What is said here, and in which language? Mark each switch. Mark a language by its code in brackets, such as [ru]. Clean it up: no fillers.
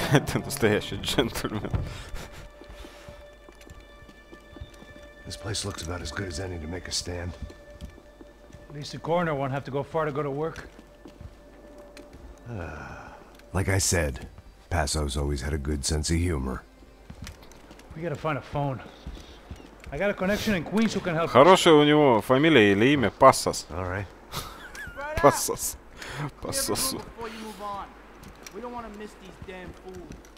[ru] Ты настоящий джентльмен. [en] This place looks about as good as any to make a stand. At least the coroner won't have to go far to go to work. Like I said, Paso's always had a good sense of humor. We gotta find a phone. I got a connection in Queens who can help. [ru] Хорошая у него фамилия или имя Пасос. [en] All right. Пасос. Пасос. We don't want to miss these damn fools.